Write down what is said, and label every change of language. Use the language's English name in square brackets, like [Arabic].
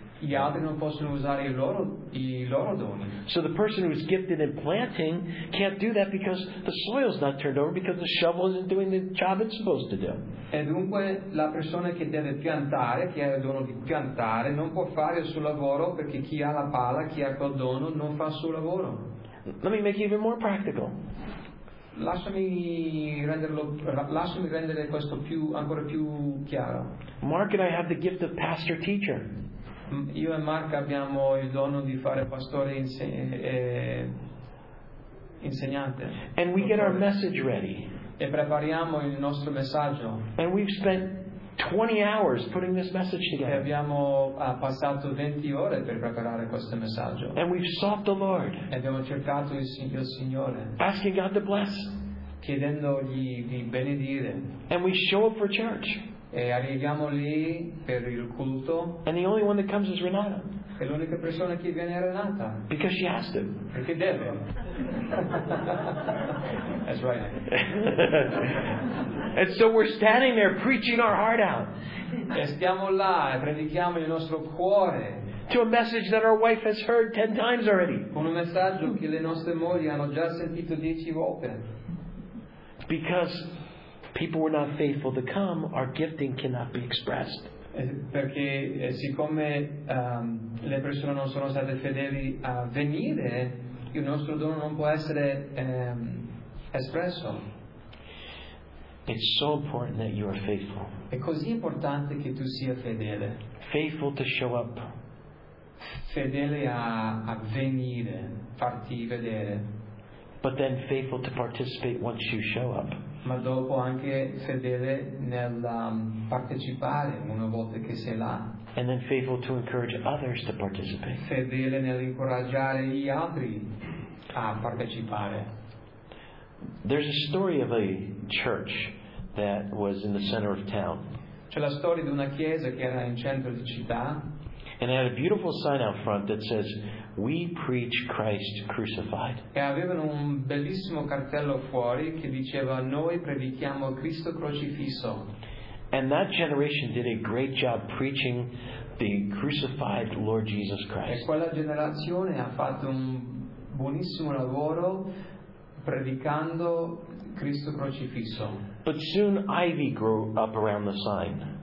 [Italian] Gli altri non possono usare i loro doni. [English] So the person who's gifted in planting can't do that because the soil's not turned over because the shovel isn't doing the job it's supposed to do. [Italian] E dunque la persona che deve piantare, che ha il dono di piantare, non può fare il suo lavoro perché chi ha la pala, chi ha quel dono, non fa il suo lavoro. [English] Let me make it even more practical. [Italian] Lasciami rendere questo più ancora più chiaro. [English] Mark and I have the gift of pastor teacher. [Italian] Io e Mark abbiamo il dono di fare pastore insegnante. [English] And we get our message ready. [Italian] E prepariamo il nostro messaggio. [English] And we've spent 20 hours putting this message together. [Italian] E abbiamo passato 20 ore per preparare questo messaggio. [English] And we've sought the Lord. [Italian] E abbiamo cercato il Signore. [English] Asking God to bless. [Italian] Chiedendogli di benedire. [English] And we show up for church. [Italian] E arriviamo lì per il culto. [English] And the only one that comes is Renata. [Italian] E l'unica persona che viene è Renata. [English] Because she has to. [Italian] Perché deve. [English] That's right. And so we're standing there preaching our heart out. [Italian] E stiamo là e predichiamo il nostro cuore. [English] To a message that our wife has heard 10 times already. [Italian] Un messaggio che le nostre mogli hanno già sentito 10 volte. [English] Because people were not faithful to come, our gifting cannot be expressed. [Italian] Perché siccome le persone non sono state fedeli a venire, il nostro dono non può essere espresso. [English] It's so important that you are faithful. [Italian] È così importante che tu sia fedele. [English] Faithful to show up. [Italian] Fedele a venire, farti vedere. [English] But then faithful to participate once you show up. [Italian] Ma dopo anche fedele nel partecipare una volta che sei là. [English] And then faithful to encourage others to participate. [Italian] Fedele nell'incoraggiare gli altri a partecipare. [English] There's a story of a church that was in the center of town. [Italian] C'è la storia di una chiesa che era in centro di città. [English] And it had a beautiful sign out front that says, "We preach Christ crucified." [Italian] E avevano un bellissimo cartello fuori che diceva, "Noi predichiamo Cristo crocifisso." [English] And that generation did a great job preaching the crucified Lord Jesus Christ. [Italian] E quella generazione ha fatto un buonissimo lavoro predicando Cristo crocifisso. [English] But soon ivy grew up around the sign.